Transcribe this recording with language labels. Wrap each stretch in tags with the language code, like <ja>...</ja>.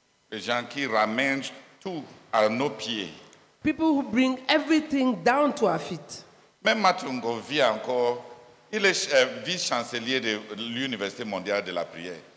<fr>Des gens qui ramènent tout à nos pieds.</fr> <en>People who bring everything down to our feet.</en> <fr>Même Mathieu Ngovi encore, il est vice-chancelier de l'Université mondiale de la prière.</fr>